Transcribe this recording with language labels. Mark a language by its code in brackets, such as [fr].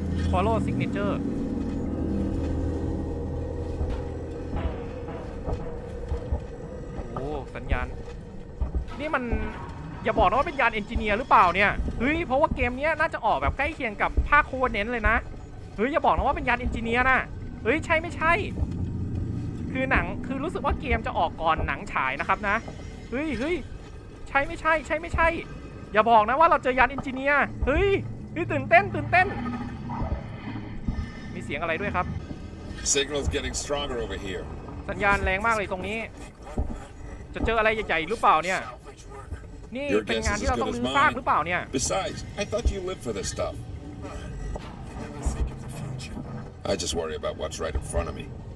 [en] follow signature [th] โอ้สัญญาณนี่มันอย่าบอกนะว่าเป็นยานเอนจิเนียร์หรือเปล่าเนี่ยเฮ้ยเพราะว่าเกมนี้น่าจะออกแบบใกล้เคียงกับภาคโคเนนเลยนะเฮ้ยอย่าบอกนะว่าเป็นยานเอนจิเนียร์นะเฮ้ยใช่ไม่ใช่ คือหนังคือรู้สึกว่าเกมจะออกก่อนหนังฉายนะครับนะเฮ้ยเฮ้ยใช่ไม่ใช่ใช่ไม่ใช่อย่าบอกนะว่าเราเจอยานเอนจิเนียร์เฮ้ยตื่นเต้นตื่นเต้นมีเสียงอะไรด้วยครับ [en] Signal's getting stronger over here [th] สัญญาณแรงมากเลยตรงนี้จะเจออะไรใหญ่ๆหรือเปล่าเนี่ยนี่เป็นงานที่เราต้องลื้อซากหรือเปล่าเนี่ย [en] Besides, I thought you lived for this stuff. I just worry about what's right in front of me.